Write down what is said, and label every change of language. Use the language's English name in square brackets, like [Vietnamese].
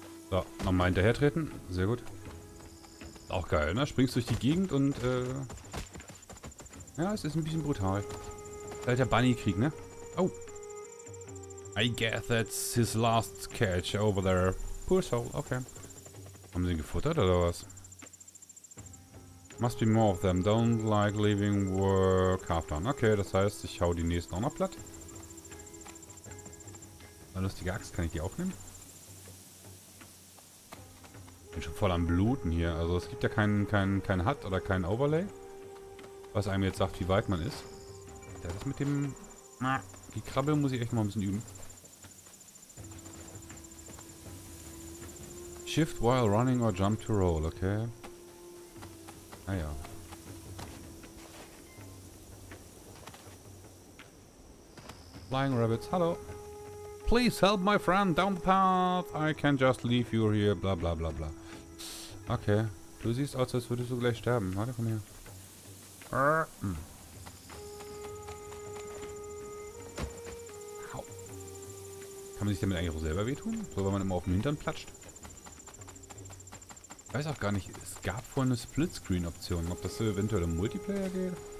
[German] So, nochmal hinterher treten. Sehr gut. Auch geil, ne? Springst durch die Gegend und, ja, es ist ein bisschen brutal. Alter Bunny-Krieg, ne? Oh! [English] I guess that's his last catch over there. Poor soul, okay. [German] Haben sie ihn gefuttert oder was? [English] Must be more of them. Don't like leaving work half done. [German] Okay, das heißt, ich hau die nächsten auch noch platt. Eine lustige Axt, kann ich die aufnehmen? Bin schon voll am Bluten hier. Also es gibt ja kein HUD oder kein Overlay, was einem jetzt sagt, wie weit man ist. Das ist mit dem... Die Krabbel muss ich echt mal ein bisschen üben. [English] Shift while running or jump to roll, okay. Ah ja. Flying Rabbits, hallo. Please help my friend down the path. I can just leave you here, bla bla bla bla. Okay. [German] Du siehst aus, als würdest du gleich sterben. Warte, komm her. Au. Kann man sich damit eigentlich auch selber wehtun? So, wenn man immer auf den Hintern platscht? Ich weiß auch gar nicht, es gab vorhin eine Splitscreen-Option, ob das so eventuell im Multiplayer geht.